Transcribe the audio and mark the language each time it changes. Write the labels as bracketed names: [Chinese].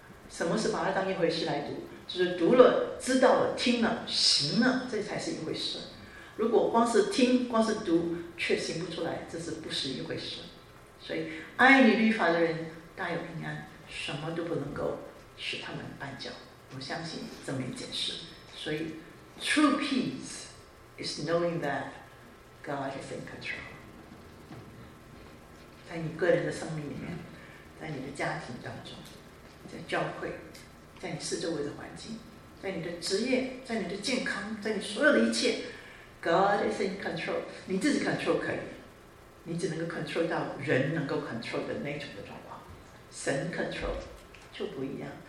[Chinese] 什么是把它当一回事来读？就是读了、知道了、听了、行了，这才是一回事。如果光是听、光是读却行不出来，这是不是一回事。所以爱你律法的人大有平安，什么都不能够使他们绊脚。我相信这么一件事。所以 [English] True peace is knowing thatGod is in control. [Chinese] 在你个人的生命里面，在你的家庭当中，在教会，在你四周围的环境，在你的职业，在你的健康，在你所有的一切， [English] God is in control. [Chinese] 你自己 control 可以，你只能够 control 到人能够 control 的那种的状况，神 control 就不一样。